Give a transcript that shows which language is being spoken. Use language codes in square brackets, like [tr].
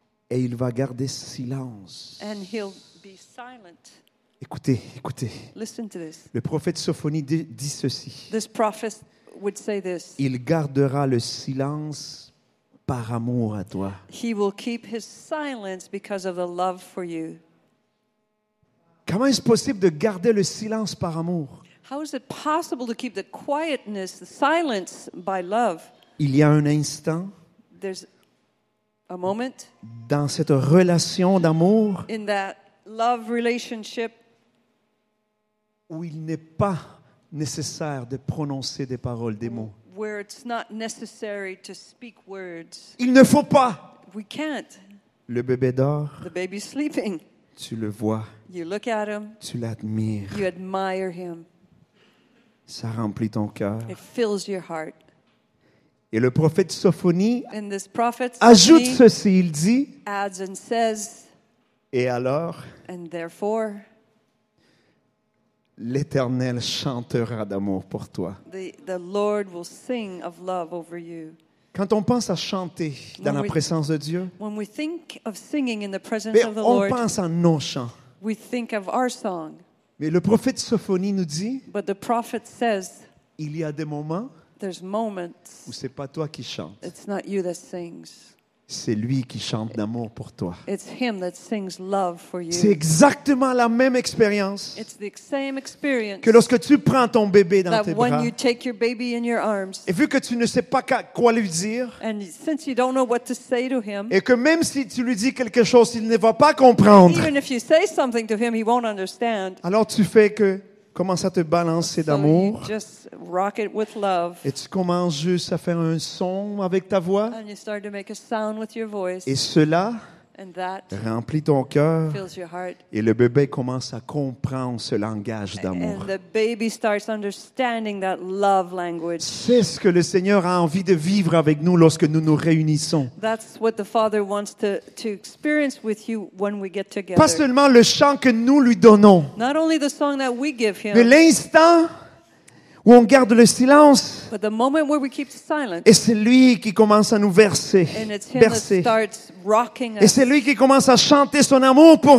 [fr] Et il va garder silence. [en] And he'll be silent. [fr] Écoutez, écoutez. [en] Listen to this. [fr] Le prophète Sophonie dit ceci. [en] This prophet would say this. [fr] Il gardera le silence par amour à toi. [en] He will keep his silence because of the love for you. [fr] Comment est-ce possible de garder le silence par amour? [en] How is it possible to keep the quietness, the silence by love? [fr] Il y a un instant. [en] There's a moment. [fr] Dans cette relation d'amour. [en] In that love relationship. [fr] Où il n'est pas nécessaire de prononcer des paroles, des mots. [en] Where it's not necessary to speak words. [fr] Il ne faut pas. [en] We can't. [fr] Le bébé dort. [en] The baby's sleeping. [fr] Tu le vois. [en] You look at him. [fr] Tu l'admires. [en] You admire him. [fr] Ça remplit ton cœur. [en] It fills your heart. [fr] Et le prophète Sophonie, [en] and this prophet Sophonie [fr] ajoute ceci, il dit, [en] adds and says, [fr] et alors, [en] and therefore, [fr] l'Éternel chantera d'amour pour toi. [en] The Lord will sing of love over you. [fr] Quand on pense à chanter dans la présence de Dieu, [en] when we think of singing in the presence of the [fr] on [en] Lord, [fr] pense à nos chants. [en] We think of our song. [fr] Mais le prophète Sophonie nous dit, [en] but the prophet says, [fr] il y a des moments [en] there's moments [fr] où c'est pas toi qui chantes. [en] It's not you that sings. [fr] C'est lui qui chante d'amour pour toi. [en] It's him that sings love for you. [fr] C'est exactement la même expérience. [en] It's the same experience. [fr] Que lorsque tu prends ton bébé dans tes bras. [en] When you take your baby in your arms. [fr] Et vu que tu ne sais pas quoi lui dire. [en] And since you don't know what to say to him. [fr] Et que même si tu lui dis quelque chose, il ne va pas comprendre. [en] Even if you say something to him, he won't understand. [fr] Alors tu fais que commence à te balancer d'amour. [en] So you just rock it with love. [fr] Et tu commences juste à faire un son avec ta voix. [en] And you start to make a sound with your voice. [fr] Et cela [en] and that [fr] remplit ton cœur. [en] Fills your heart. [fr] Et le bébé commence à comprendre ce langage d'amour. [en] And the baby starts understanding that love language. [fr] C'est ce que le Seigneur a envie de vivre avec nous lorsque nous nous réunissons. [en] That's what the Father wants to experience with you when we get together. [fr] Pas seulement le chant que nous lui donnons. [en] Not only the song that we give him. [fr] Mais l'instant où on garde le silence. [en] But the moment where we keep the silence. [fr] Et c'est lui qui commence à nous verser. [en] And it's him [fr] bercer. [en] That starts rocking us. [fr] Et c'est lui qui commence à chanter son amour pour